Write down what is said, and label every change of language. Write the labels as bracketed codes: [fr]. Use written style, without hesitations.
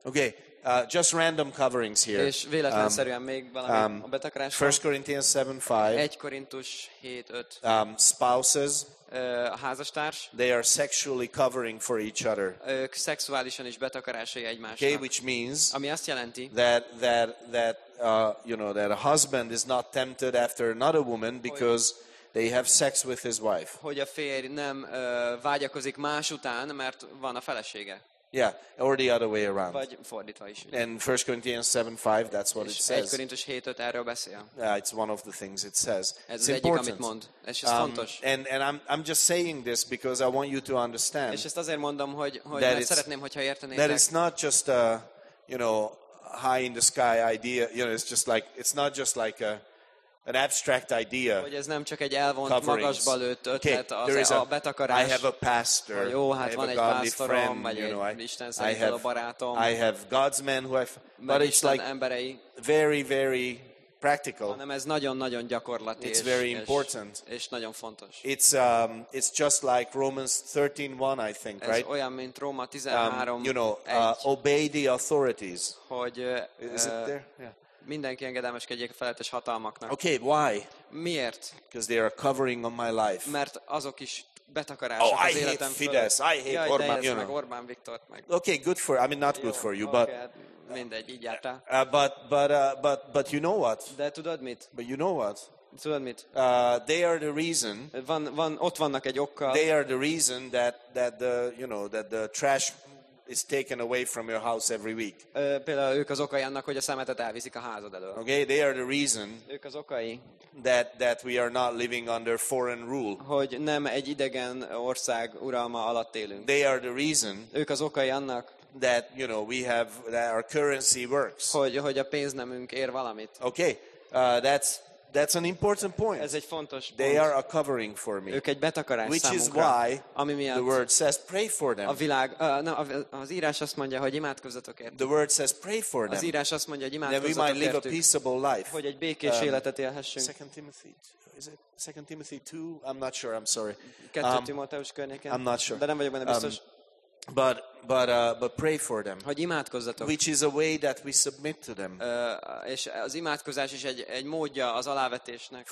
[en] Okay. Just random coverings here. [hu] És véletlenszerűen még valami a betakarás. [en] 1 Corinthians 7:5. [hu] 1 Korintus 7:5. [en] Spouses. [hu] A házastárs. [en] They are sexually covering for each other. [hu] Ők szexuálisan is betakarásai egymásnak. [en] Okay, which means, [hu] ami azt jelenti, [en] that a husband is not tempted after another woman because they have sex with his wife. [hu] Hogy a férj nem vágyakozik más után, mert van a felesége. [en] Yeah, or the other way around. [hu] Vagy fordítva is. [en] And 1 Corinthians 7:5, that's what [hu] és [en] it says. [hu] 1 Korintus 7:5 erről beszél. [en] Yeah, it's one of the things it says. [hu] Ez az [en] important. [hu] Egyik, amit mond. Ez fontos. [en] And I'm just saying this because I want you to understand. [hu] És ezt azért mondom, hogy mert szeretném, hogyha értenétek. [en] That it's not just a, you know, high in the sky idea. You know, it's just like it's not just like a an abstract idea. [hu] Hogy ez nem csak egy elvont magasba lőtt ötlet, az a betakarás. [en] I have a pastor. [hu] Jó, hát van egy pásztorom, vagy egy Isten szerint való barátom. [en] I have God's men who have, but it's like [hu] emberei. [en] Very, very practical. [hu] Hanem ez nagyon-nagyon gyakorlati. [en] It's very important. [hu] És nagyon fontos. [en] It's just like Romans 13:1, I think, right? [hu] Ez olyan, mint Róma 13:1. [en] You know, obey the authorities. [hu] Hogy, [en] is it there? Yeah. [hu] Mindenki engedelmeskedjék a felettes hatalmaknak. [en] Okay, why? [hu] Miért? [en] Because they are covering on my life. [hu] Mert azok is betakarások oh, az életem fölött. [en] Oh, I hate Fidesz. I hate Orbán, you know. [hu] Meg Orbán Viktort meg. [en] Okay, good for, I mean, not [hu] jó, [en] good for you, okay, but [hu] mindegy, így járta. [en] But you know what? [hu] De tudod mit? [en] But you know what? [hu] Tudod mit? [en] They are the reason. [hu] Van ott vannak egy okkal. [en] They are the reason that the, you know, that the trash is taken away from your house every week. [hu] Például ők az okai annak, hogy a szemetet elviszik a házad elől. [en] Okay, they are the reason. [hu] Ők az okai. [en] That we are not living under foreign rule. [hu] Hogy nem egy idegen ország uralma alatt élünk. [en] They are the reason. [hu] Ők az okai annak. [en] That, you know, we have, that our currency works. [hu] Hogy a pénz nemünk ér valamit. [en] Okay, that's an important point. [hu] Ez egy fontos pont. [en] They are a covering for me. [hu] Ők egy betakarás [en] which [hu] számunkra. [en] Which is why the word says pray for them. [hu] A világ, az írás azt mondja, hogy imádkozzatok értük. [en] The word says pray for them. [hu] Az írás azt mondja, hogy imádkozzatok értük. [en] That we might live a peaceable life. [hu] Hogy egy békés életet élhessünk. [en] 2 Timothy 2, is it 2 Timothy 2? I'm not sure, I'm sorry. [hu] 2 Timoteus környéken. [en] I'm not sure. [hu] De nem vagyok benne biztos. [en] But pray for them. [hu] Hogy imádkozzatok. [en] Which is a way that we submit to them. [hu] És az imádkozás is egy módja az alávetésnek.